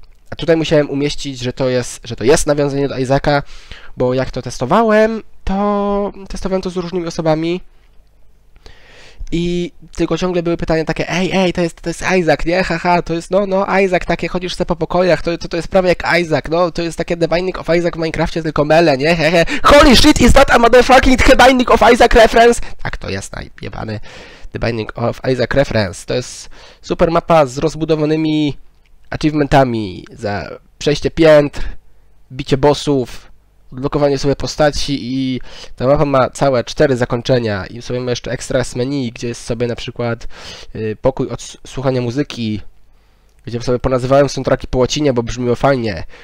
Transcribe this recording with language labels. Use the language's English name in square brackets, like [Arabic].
[Polish] A tutaj musiałem umieścić, że to jest nawiązanie do Isaaca, bo jak to testowałem, to testowałem to z różnymi osobami i tylko ciągle były pytania takie: ej, to jest Isaac, nie? Haha, to jest no, Isaac, takie chodzisz sobie po pokojach, to jest prawie jak Isaac, no, to jest takie The Binding of Isaac w Minecrafcie, tylko mele, nie? [English] Hehe, holy shit, is that a motherfucking The Binding of Isaac reference? [Polish] Tak, to jest najjebany The Binding of Isaac reference. To jest super mapa z rozbudowanymi achievementami za przejście piętr, bicie bossów, odblokowanie sobie postaci i ta mapa ma całe 4 zakończenia i sobie ma jeszcze ekstra menu, gdzie jest sobie na przykład pokój od słuchania muzyki, gdzie sobie ponazywałem soundtracki po łacinie, bo brzmiło fajnie.